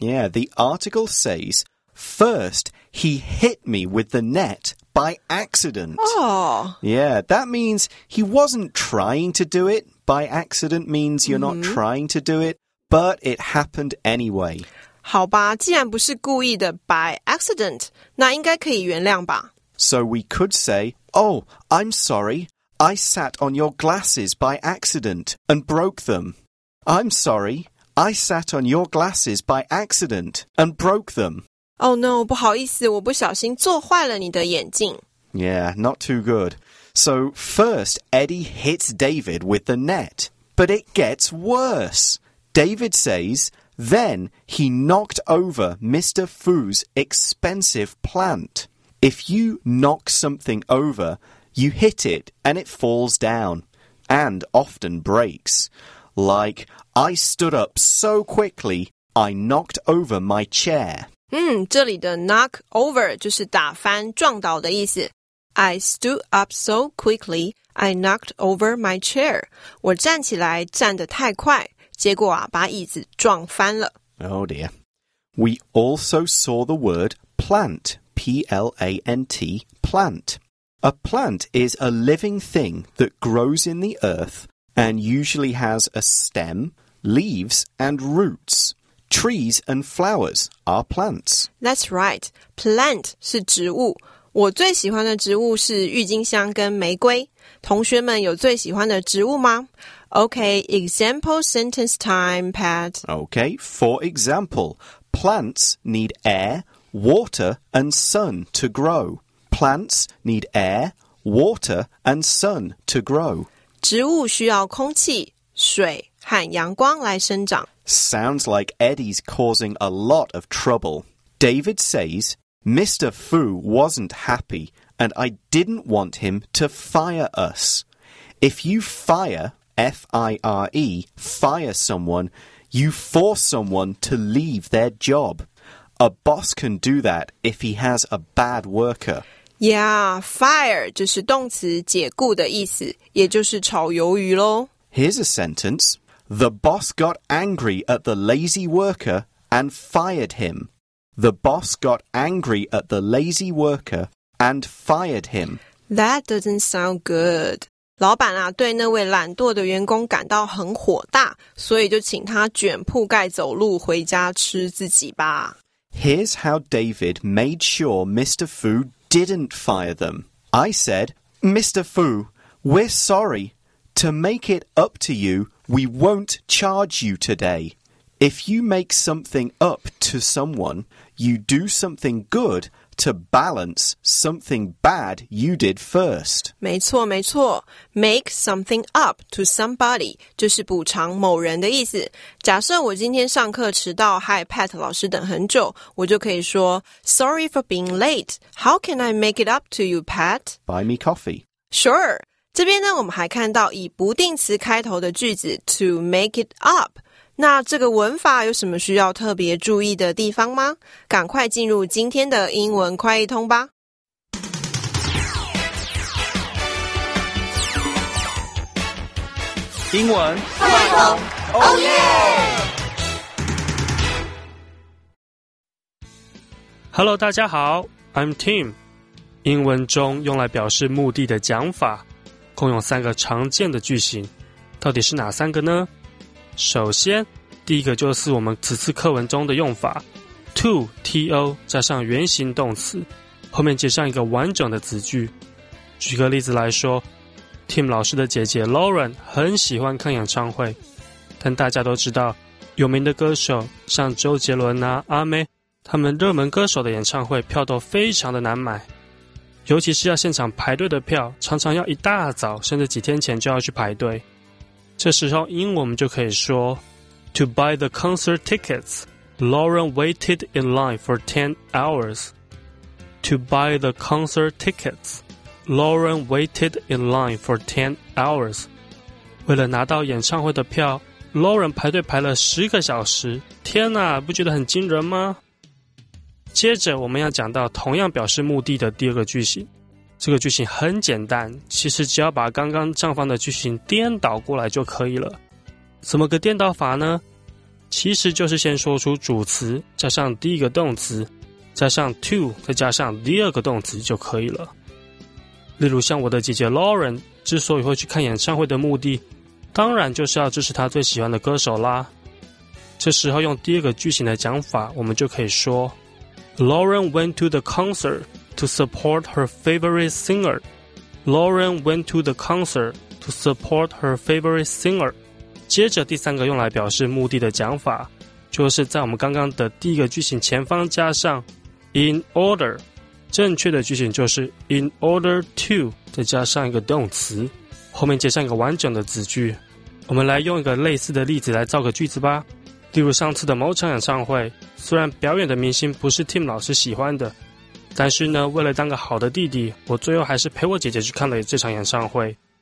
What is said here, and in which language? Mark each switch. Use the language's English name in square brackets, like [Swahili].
[English] Yeah, the article says, first, he hit me with the net by accident. Oh. Yeah, that means he wasn't trying to do it. By accident means you're not trying to do it, but it happened anyway. [Chinese] 好吧,既然不是故意的 by accident, 那应该可以原谅吧。 [English] So we could say, oh, I'm sorry. I sat on your glasses by accident and broke them. I'm sorry, I sat on your glasses by accident and broke them. Oh no, [Chinese] 不好意思,我不小心坐坏了你的眼镜。 [English] Yeah, not too good. So first, Eddie hits David with the net. But it gets worse. David says, then he knocked over Mr. Fu's expensive plant. If you knock something over... You hit it, and it falls down, and often breaks. Like, I stood up so quickly, I knocked over my chair. [Chinese] 这里的 knock over 就是打翻、撞倒的意思。 [English] I stood up so quickly, I knocked over my chair. [Chinese] 我站起来站得太快，结果啊，把椅子撞翻了。 [English] Oh dear. We also saw the word plant, P-L-A-N-T, plant. A plant is a living thing that grows in the earth and usually has a stem, leaves, and roots. Trees and flowers are plants. That's right. Plant [Chinese] 是植物。我最喜欢的植物是郁金香跟玫瑰。同学们有最喜欢的植物吗? [English] Okay, example sentence time, Pat. Okay, for example, plants need air, water, and sun to grow. Plants need air, water, and sun to grow. [Chinese] 植物需要空气、水和阳光来生长。 [English] Sounds like Eddie's causing a lot of trouble. David says, Mr. Fu wasn't happy and I didn't want him to fire us. If you fire, F-I-R-E, fire someone, you force someone to leave their job. A boss can do that if he has a bad worker. [Chinese] Yeah, fire 就是动词解雇的意思，也就是炒鱿鱼咯。 [English] Here's a sentence. The boss got angry at the lazy worker and fired him. The boss got angry at the lazy worker and fired him. That doesn't sound good. [Chinese] 老板啊，对那位懒惰的员工感到很火大，所以就请他卷铺盖走路回家吃自己吧。 [English] Here's how David made sure Mr. Fu didn't fire them. I said, Mr. Fu, we're sorry. To make it up to you, we won't charge you today. If you make something up to someone, you do something good to balance something bad you did first. [Chinese] 没错没错 make something up to somebody 就是补偿某人的意思。假设我今天上课迟到，害 Pat 老师等很久，我就可以说 [English] Sorry for being late. How can I make it up to you, Pat? Buy me coffee. Sure. [Chinese] 这边呢，我们还看到以不定词开头的句子 to make it up。那这个文法有什么需要特别注意的地方吗？赶快进入今天的英文快译通吧。英文快译通 ， [English] Oh yeah！ Hello， [Chinese] 大家好 [English] ，I'm Tim。 [Chinese] 英文中用来表示目的的讲法，共有三个常见的句型，到底是哪三个呢？首先，第一个就是我们此次课文中的用法 to T-O 加上原形动词，后面接上一个完整的子句。举个例子来说， Tim 老师的姐姐 Lauren 很喜欢看演唱会，但大家都知道有名的歌手像周杰伦啊、阿妹他们热门歌手的演唱会票都非常的难买，尤其是要现场排队的票，常常要一大早甚至几天前就要去排队。这时候英文我们就可以说 [English] To buy the concert tickets, Lauren waited in line for 10 hours. To buy the concert tickets, Lauren waited in line for 10 hours. [Chinese] 为了拿到演唱会的票， Lauren 排队排了10个小时。天哪，不觉得很惊人吗？接着我们要讲到同样表示目的的第二个句型。这个句型很简单，其实只要把刚刚上方的句型颠倒过来就可以了。怎么个颠倒法呢？其实就是先说出主词，加上第一个动词，加上 to， 再加上第二个动词就可以了。例如像我的姐姐 Lauren 之所以会去看演唱会的目的，当然就是要支持她最喜欢的歌手啦。这时候用第二个句型的讲法，我们就可以说 [English] Lauren went to the concertTo support her favorite singer. Lauren went to the concert to support her favorite singer. [Chinese] 接着第三个用来表示目的的讲法，就是在我们刚刚的第一个句型前方加上 in order. 正确的句型就是 in order to 再加上一个动词，后面接上一个完整的子句。我们来用一个类似的例子来造个句子吧。例如上次的某场演唱会，虽然表演的明星不是 Tim 老师喜欢的，但是呢，为了当个好的弟弟，我最后还是陪我姐姐去看了这场演唱会。